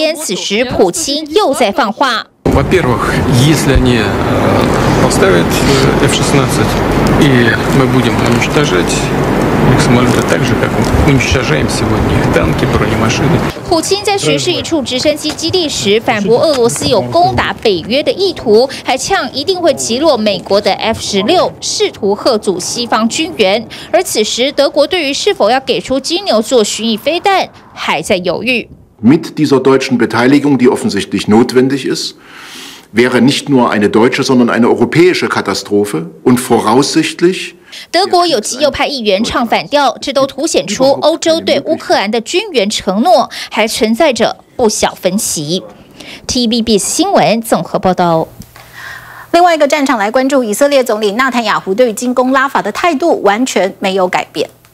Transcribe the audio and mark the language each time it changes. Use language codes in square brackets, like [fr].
[zh] 如今变成了打卡景点，大家的愿望几乎都是希望战争快点结束。而偏偏此时普京又在放话。 [ru] Во-первых, если они поставят F-16, и мы будем уничтожать их самолеты так же, как уничтожаем сегодня их танки, бронемашины. [zh] 普京在巡视一处直升机基地时反驳俄罗斯有攻打北约的意图，还呛一定会击落美国的 F-16， 试图吓阻西方军援。而此时，德国对于是否要给出金牛座巡弋飞弹还在犹豫。 [de] Mit dieser deutschen Beteiligung, die offensichtlich notwendig ist, wäre nicht nur eine deutsche, sondern eine europäische Katastrophe und voraussichtlich [zh] 德国有极右派议员唱反调，这都凸显出欧洲对乌克兰的军援承诺还存在着不小分歧。TVBS 新闻综合报道。另外一个战场来关注，以色列总理纳坦雅胡对进攻拉法的态度完全没有改变。